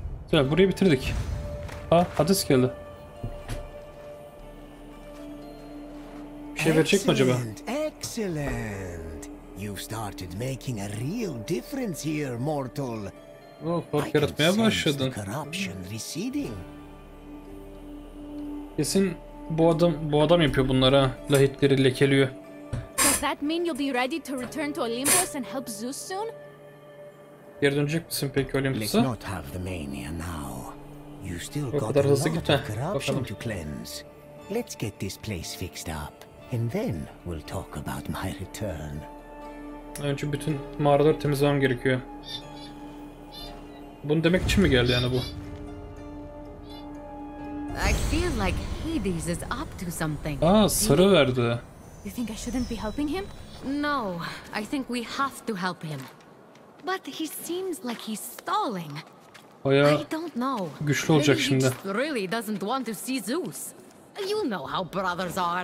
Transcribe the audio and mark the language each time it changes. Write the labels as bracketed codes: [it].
[tr] Güzel, burayı bitirdik. Ha, Hades geldi. Bir şey verecek mi acaba? [en] Excellent. You've started making a real difference here, mortal. [tr] Oh, fark yaratmaya başladın. [en] Corruption receding. [tr] Kesin bu adam yapıyor bunlara. Lahitleri lekeliyor. [en] Does that mean you'll be ready to return to Olympus and help Zeus soon? [tr] Geri dönecek misin peki Olympus'a? [en] Let's not have the mania now. You still got a lot of corruption to cleanse. Let's get this place fixed up and then we'll talk about my return. [tr] Önce bütün mağaraları temizlemem gerekiyor. Bunu demek için mi geldi yani bu? [en] I feel like Hades is up to something. [tr] Aa, sarı verdi. [en] You think I shouldn't be helping him? No, I think we have to help him. But he seems like he's stalling. [tr] Bayağı güçlü olacak şimdi. [en] Really doesn't want to see Zeus. You know how brothers are.